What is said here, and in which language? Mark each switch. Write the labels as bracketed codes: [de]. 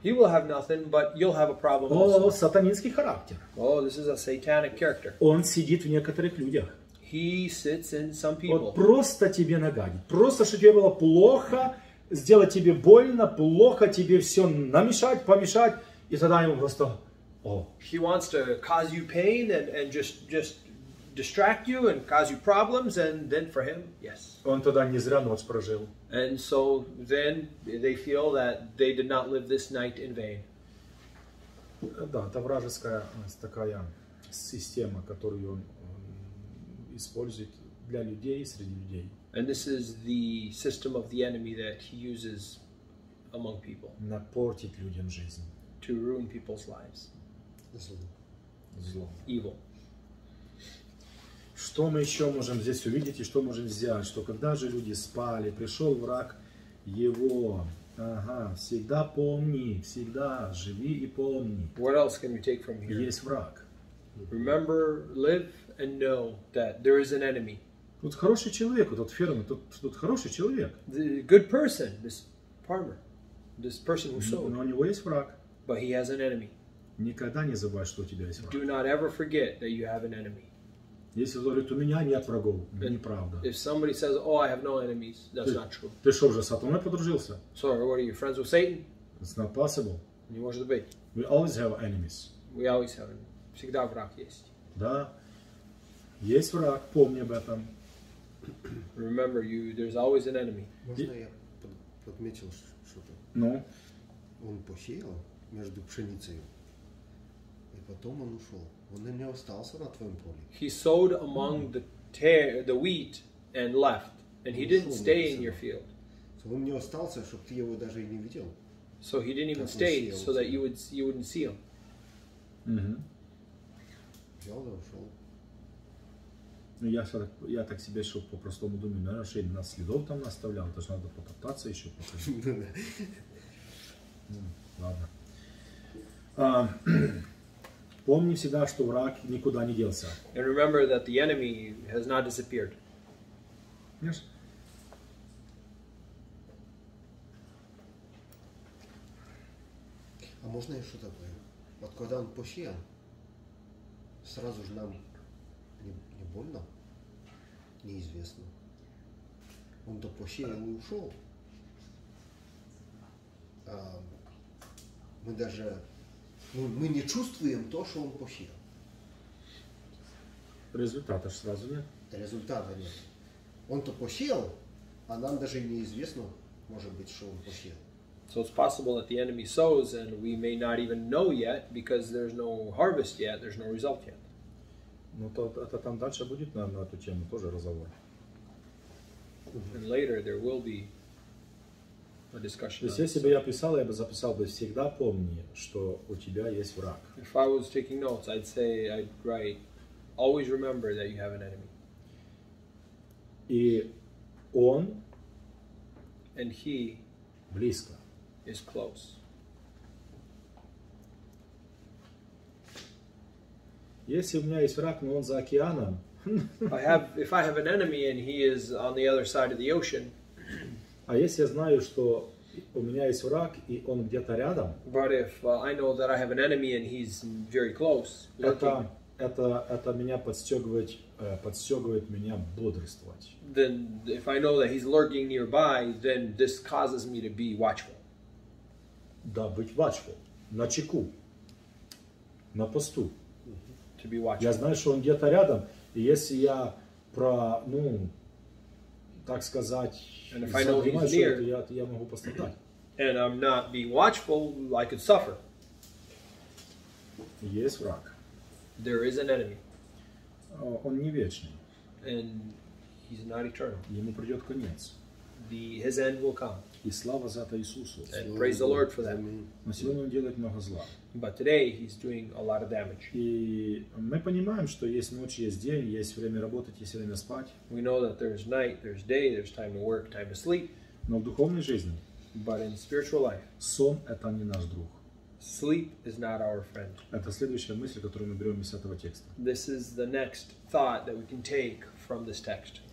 [en] He will have nothing, but you'll have a problem also. [ru] О, сатанинский характер. [en] Oh, this is a satanic character. [ru] Он сидит в некоторых людях. [en] He sits in some people. [ru] Вот просто тебе нагадить, просто чтобы тебе было плохо, сделать тебе больно, плохо тебе все намешать, помешать. И тогда ему просто, о. [en] He wants to cause you pain and just distract you and cause you problems, and then for him, yes. [ru] Он тогда не зря ночь прожил. [en] And so then they feel that they did not live this night in vain. [ru] Да, это вражеская такая система, которую он использует для людей, среди людей. [en] And this is the system of the enemy that he uses among people. [ru] Напортить людям жизнь. [en] To ruin people's lives. [ru] Зло. [en] Evil. [ru] Что мы еще можем здесь увидеть и что можем взять? Что когда же люди спали, пришел враг его. Ага, всегда помни, всегда живи и помни. [en] What else can we take from here? [ru] Есть враг. [en] Remember, live and know that there is an enemy. [ru] Тут хороший человек, вот этот фермер, тут хороший человек. [en] The good person, this farmer, this person who sold. [ru] Но у него есть враг. [en] But he has an enemy. [ru] Никогда не забывай, что у тебя есть враг. [en] Do not ever forget that you have an enemy. [ru] Если говорит, у меня нет врагов, это неправда. [en] If somebody says, oh, I have no enemies, that's not true. [ru] Ты что, уже с сатаной подружился? [en] So, what are you, friends with Satan? It's not possible. [ru] Не может быть. [en] We always have enemies. We always have enemies. [ru] Всегда враг есть. Да. Есть враг, помни об этом. [en] Remember, there's always an enemy. [ru] Можно я подметил что-то? Ну? Он посеял между пшеницей. И потом он ушел. Он не остался на твоем поле. [en] He sowed among the wheat and left. And he didn't stay in your field. [ru] Он не остался, чтоб ты его даже и не видел. [en] So he didn't even stay so that you wouldn't see him. [ru] Взял и ушел. Ну я так себе еще по-простому думаю, наверное, что и на следов там наставлял. То есть надо попытаться еще покажу. Ладно. Помни всегда, что враг никуда не делся. [en] And remember that the enemy has not disappeared. Yes. [ru] А можно я что-то говорю? Вот когда он посеял, сразу же нам не больно? Неизвестно. Он-то посеял и ушел. А мы даже... Мы не чувствуем то, что он посеял. Результата же сразу нет. Результата нет. Он-то посеял, а нам даже неизвестно, может быть, что он посеял. [en] So it's possible that the enemy sows and we may not even know yet because there's no harvest yet, there's no result yet. [ru] Ну то там дальше будет на эту тему тоже разговор. [en] And later there will be a discussion. [ru] То есть если бы я писал, я бы записал бы всегда помни, что у тебя есть враг. [en] If I was taking notes, I'd say I'd write always remember that you have an enemy. [ru] И он [en] and he [ru] близко. [en] Is close. [ru] Если у меня есть враг, но он за океаном. [en] If I have an enemy and he is on the other side of the ocean. [ru] А если я знаю, что у меня есть враг и он где-то рядом. [en] But if I know that I have an enemy and he's very close. [ru] Это меня подстегивает меня бодрствовать. [en] Then if I know that he's lurking nearby, then this causes me to be watchful. [ru] Да, быть watchful, на чеку, на посту. [en] To be watchful. [ru] Я знаю, что он где-то рядом, и если я про, ну, так сказать, занимаюсь, то я могу пострадать. [en] And I'm not being watchful, I could suffer. [ru] Есть враг. [en] There is an enemy. [ru] Он не вечный. [en] And he's not eternal. [ru] Ему придет конец. [en] His end will come. [ru] И слава за это Иисусу. [en] And praise the Lord for that. [ru] Но сегодня он делает много зла. [en] But today he's doing a lot of damage. [ru] И мы понимаем, что есть ночь, есть день, есть время работать, есть время спать. [en] We know that there's night, there's day, there's time to work, time to sleep. [ru] Но в духовной жизни. [en] But in spiritual life. [ru] Сон это не наш друг. [en] Sleep is not our friend. [ru] Это следующая мысль, которую мы берем из этого текста. [en] This is the next thought that we can take from this text.